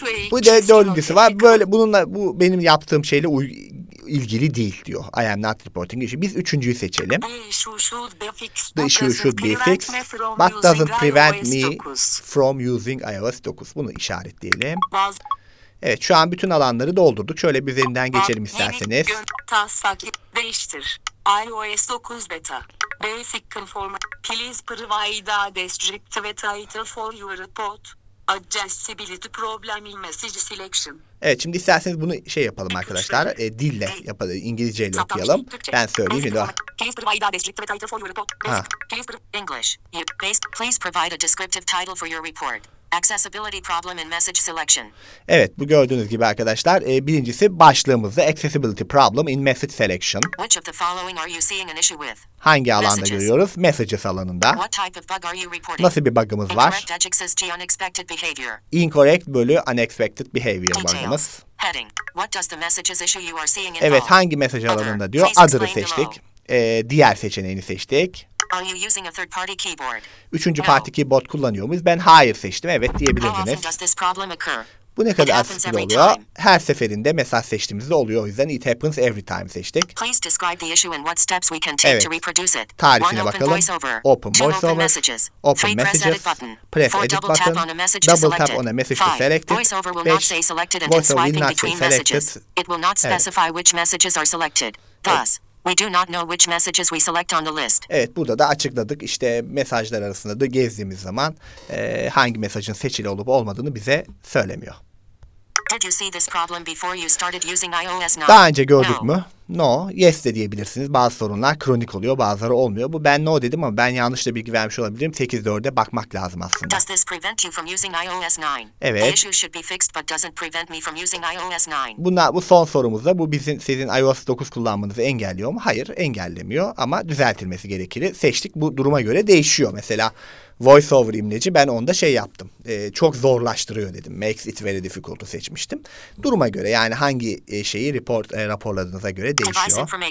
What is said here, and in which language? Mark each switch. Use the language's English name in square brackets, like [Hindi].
[Turkish] Bu da dördüncüsü var. Böyle bununla bu benim yaptığım şeyle ilgili değil diyor. [English] I am not reporting issue. [Turkish] Biz üçüncüyü seçelim. [English] The issue should be fixed. What doesn't prevent me from using iOS 9? [Turkish] Bunu işaretleyelim. Evet, şu an bütün alanları doldurduk. Şöyle bir üzerinden geçelim isterseniz. [English] Değiştir. iOS 9 beta. Basic conform. Please provide a descriptive title for your report. Adjustability problem in message selection. [Turkish] Evet, şimdi isterseniz bunu şey yapalım arkadaşlar. Dille yapalım. İngilizceyle okuyalım. Ben söyleyeyim. [English] Please provide a descriptive title for your report. Please English. Please provide a descriptive title for your report. Accessibility problem in message selection. [Turkish] Evet, bu gördüğünüz gibi arkadaşlar, birincisi başlığımızda [English] accessibility problem in message selection. Which of the following are you seeing an issue with? [Turkish] Hangi alanda messages görüyoruz? Messages alanında. [English] What type of bug are you reporting? [Turkish] Nasıl bir bug'ımız var? [English] Unexpected behavior. Incorrect bölü unexpected behavior detail [Turkish] bug'ımız. [English] Heading. What does the messages issue you are seeing [Turkish] involve? Evet, hangi mesaj alanında diyor? Other'ı seçtik. Diğer seçeneğini seçtik. [English] Are you using a third party keyboard? [Turkish] Üçüncü parti keyboard kullanıyor muyuz? Ben hayır seçtim. Evet diyebilirsiniz. [English] How often does this problem occur? [Turkish] Bu ne kadar sık oluyor? Her seferinde mesaj seçtiğimizde oluyor. O yüzden [English] it happens every time [Turkish] seçtik. [English] Please describe the issue and what steps we can take [Turkish] evet [English] to reproduce it. [Turkish] Tarifine [English] one [Turkish] bakalım. [English] Open voiceover. Open messages. Open messages. Press edit button. Press four edit button. Double tap on a message to select it. Five. Voiceover will not say selected and swiping between messages. Selected. It will not specify [Turkish] evet [English] which messages are selected. Thus, [Turkish] evet, [English] we do not know which messages we select on the list. [Turkish] Evet, burada da açıkladık. İşte mesajlar arasında da gezdiğimiz zaman hangi mesajın seçili olup olmadığını bize söylemiyor. [English] Did you see this problem before you started using iOS 9? [Turkish] Daha önce gördük mü? No, yes de diyebilirsiniz. Bazı sorunlar kronik oluyor, bazıları olmuyor. Bu ben no dedim ama ben yanlışla bilgi vermiş olabilirim. 8-4'e bakmak lazım aslında. [English] Does this prevent you from using iOS 9? [Turkish] Evet. [English] The issue should be fixed but doesn't prevent me from using iOS 9. [Turkish] Bunlar, bu son sorumuzda bu sizin iOS 9 kullanmanızı engelliyor mu? Hayır, engellemiyor ama düzeltilmesi gerekir. Seçtik, bu duruma göre değişiyor. Mesela voice over imleci. Ben onda şey yaptım. Çok zorlaştırıyor dedim. [English] Makes it very difficult'u [Turkish] seçmiştim. Duruma göre, yani hangi şeyi report raporladığınıza göre değişiyor.